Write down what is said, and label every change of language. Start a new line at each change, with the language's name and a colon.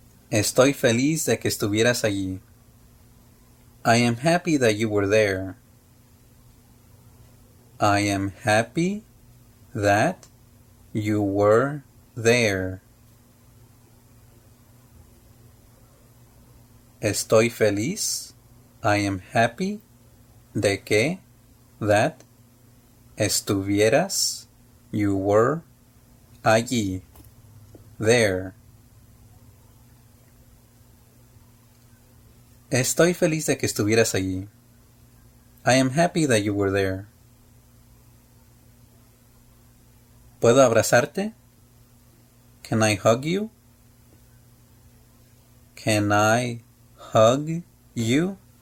Spanish: Estoy feliz de que estuvieras allí.
English: I am happy that you were there. I am happy that you were there.
Spanish: Estoy feliz.
English: I am happy
Spanish: de que
English: that
Spanish: estuvieras,
English: you were,
Spanish: allí,
English: there.
Spanish: Estoy feliz de que estuvieras allí.
English: I am happy that you were there.
Spanish: ¿Puedo abrazarte?
English: Can I hug you? Can I hug you?